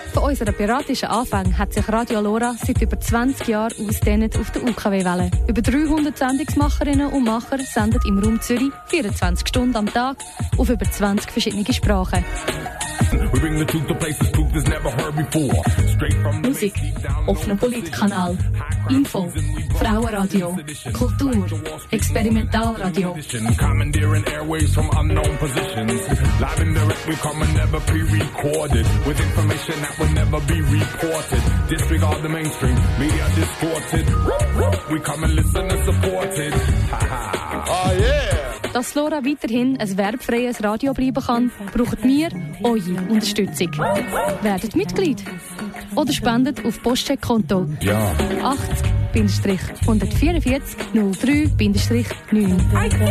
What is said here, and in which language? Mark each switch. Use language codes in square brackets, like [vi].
[de] Aus unserer piratischen Anfang hat sich Radio Lora seit über 20 Jahren ausdehnt auf der UKW-Welle. Über 300 Sendungsmacherinnen und Macher senden im Raum Zürich 24 Stunden am Tag auf über 20 verschiedene Sprachen. [en] We bring the truth to places truth has never heard before. Straight from the [de] Musik, offener Politkanal, Info, Frauenradio, Kultur, Experimentalradio. [en] Commandeering airwaves from unknown positions. Live and direct, we come and never pre-recorded. With information that will never be reported. Disregard the mainstream, media distorted. We come and listen and support it. Oh yeah! [de] Dass Lora weiterhin ein werbfreies Radio bleiben kann, braucht wir eure Unterstützung. Werdet Mitglied oder spendet auf Postcheckkonto. Ja. 80-144-03-9. Ja.